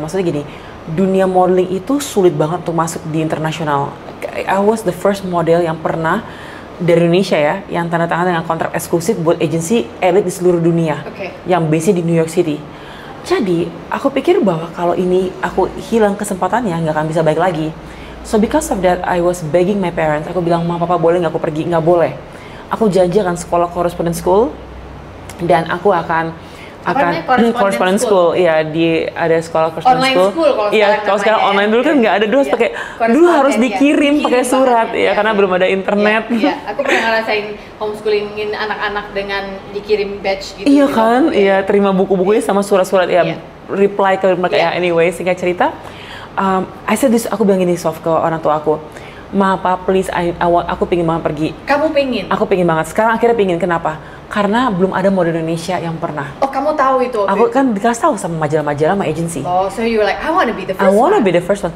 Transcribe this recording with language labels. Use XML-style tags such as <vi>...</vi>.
<id>Maksudnya gini, dunia modeling itu sulit banget untuk masuk di internasional.</id> <en>I was the first model</en> <id>yang pernah dari Indonesia ya, yang tanda tangan dengan kontrak eksklusif buat agensi elit di seluruh dunia,</id> <en>okay.</en> <id>Yang base-nya di New York City. Jadi, aku pikir bahwa kalau ini aku hilang kesempatannya, nggak akan bisa balik lagi.</id> <en>So, because of that, I was begging my parents.</en> <id>Aku bilang, ma, papa boleh nggak aku pergi? Nggak boleh. Aku janji akan sekolah correspondence school, dan aku akan</id> <en>correspondence school.</en> <id>Iya, ada sekolah correspondence school. Online school kalau sekarang. Iya, kalau sekarang online dulu kan enggak ada, dulu pakai dulu harus dikirim pakai surat ya, karena belum ada internet. Iya, aku pernah ngerasain homeschoolingin anak-anak dengan dikirim batch gitu. Iya kan? Iya, terima buku-bukunya sama surat-surat ya, reply ke mereka ya. Anyway, singkat cerita,</id> <en>I said this,</en> <id>aku bilang ini soft ke orang tua aku. Ma, pa, please, aku pengin banget pergi. Kamu pengin? Aku pengin banget. Sekarang akhirnya pengin. Kenapa? Karena belum ada model Indonesia yang pernah. Oh, kamu tahu itu? Aku kan dikasih tahu sama majalah-majalah, sama agency.</id> <en>Oh, so you like, I wanna be the first one.</en>